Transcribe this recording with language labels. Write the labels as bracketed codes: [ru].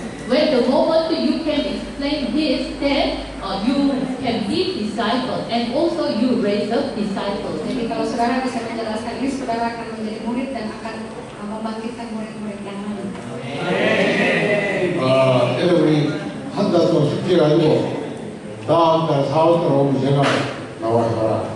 [en] When the moment you can explain this, then you can be disciple, and also you raise up disciples. [id] Jadi kalau saudara bisa menjelaskan ini, saudara akan menjadi murid dan akan membangkitkan murid-murid yang lain. [en] Amen. [ko] 여러분이 한 달 동안 숙제가 아니고 다음 달 4월 달 오면 제가 나와서 봐라.